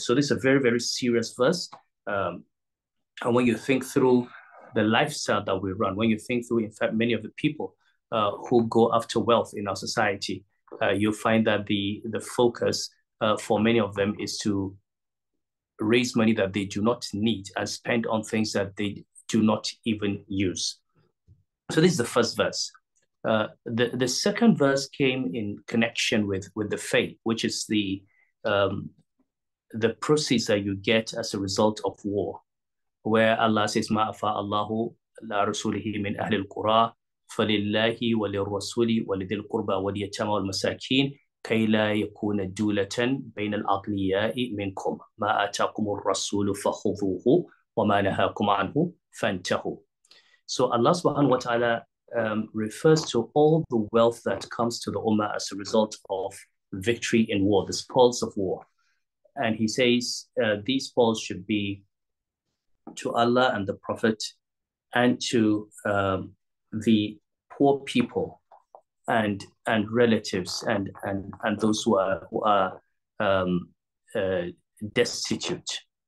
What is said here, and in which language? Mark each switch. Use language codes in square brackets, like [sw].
[en] So this is a very, very serious verse. And when you think through the lifestyle that we run, when you think through, in fact, many of the people who go after wealth in our society, you'll find that the focus for many of them is to raise money that they do not need and spend on things that they do not even use. So this is the first verse. The second verse came in connection with the faith, which is the proceeds that you get as a result of war, where Allah says, [ar] مَا أَفَاءَ اللَّهُ لَا رَسُولِهِ مِنْ أَهْلِ الْقُرَىٰ فَلِلَّهِ وَلِلْرَسُولِ وَلِذِي الْقُرْبَى وَلِيَتَامَى وَالْمَسَاكِينِ كَيْ لَا يَكُونَ دُولَةً بَيْنَ الْأَغْنِيَاءِ مِنْكُمْ مَا آتَاكُمُ الرَّسُولُ فَخُذُوهُ وَمَا نَهَاكُمْ عَنْهُ فَانْتَهُوا. [en] So Allah subhanahu wa ta'ala refers to all the wealth that comes to the Ummah as a result of victory in war, the spoils of war. And he says these spoils should be to Allah and the Prophet and to the poor people and relatives and those who are destitute.